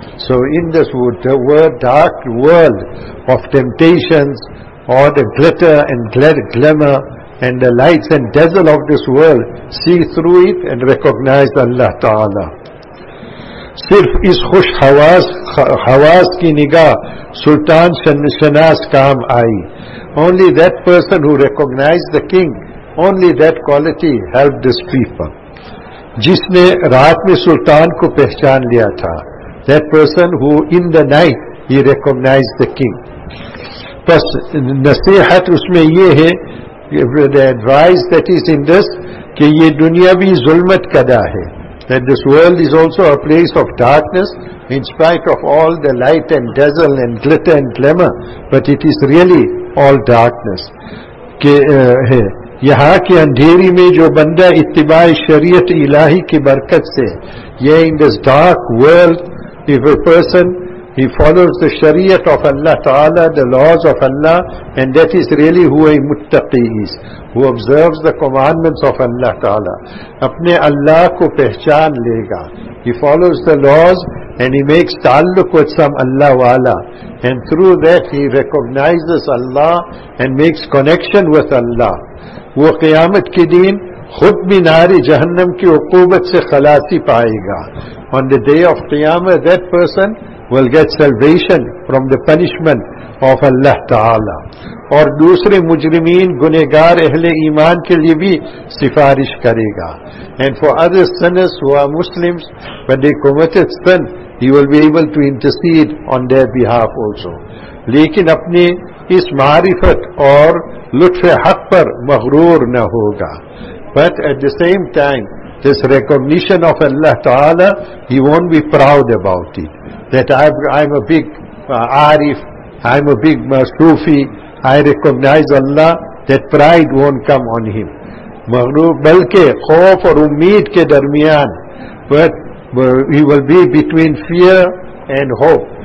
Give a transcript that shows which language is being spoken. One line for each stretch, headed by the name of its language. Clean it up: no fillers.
English: So in this dark world of temptations, or the glitter and glamour and the lights and dazzle of this world, see through it and recognize Allah Ta'ala.
Urdu: صرف اس خوش حواس کی نگاہ سلطان شناس کام آئی.
English: Only that person who recognized the king, only that quality helped this people.
Urdu: جس نے رات میں سلطان کو پہچان لیا تھا.
English: That person who in the night he recognized the king.
Urdu: پس نصیحت اس میں یہ ہے,
English: the advice that is in this,
Urdu: کہ یہ دنیاوی ظلمت کدا ہے.
English: That this world is also a place of darkness, in spite of all the light and dazzle and glitter and glamour, but it is really all darkness.
Urdu: کہ یہاں کے اندھیری میں جو بندہ اتباع شریعت الہی کی برکت سے, یہ
English: in this dark world, if a person he follows the shariat of Allah Ta'ala, the laws of Allah, and that is really who a muttaqi is, who observes the commandments of Allah Ta'ala.
Urdu: اپنے اللہ کو پہچان لے گا.
English: He follows the laws and he makes تعلق with some Allah wala, and through that he recognizes Allah and makes connection with Allah.
Urdu: وہ قیامت کے دن خود بھی ناری جہنم کی عقوبت سے خلاصی پائے گا.
English: On the day of Qiyamah, that person will get salvation from the punishment of Allah Ta'ala.
Urdu: اور دوسرے مجرمین گنہگار اہل ایمان کے لیے بھی سفارش کرے گا.
English: And for other sinners who are Muslims, when they committed sin, he will be able to intercede on their behalf also.
Urdu: لیکن اپنے اس معرفت اور لطف حق پر مغرور نہ ہوگا.
English: But at the same time, this recognition of Allah Ta'ala, he won't be proud about it. That I'm a big arif, I'm a big masufi, I recognize Allah, that pride won't come on him.
Urdu: بلکہ خوف اور امید کے درمیان,
English: but he will be between fear and hope.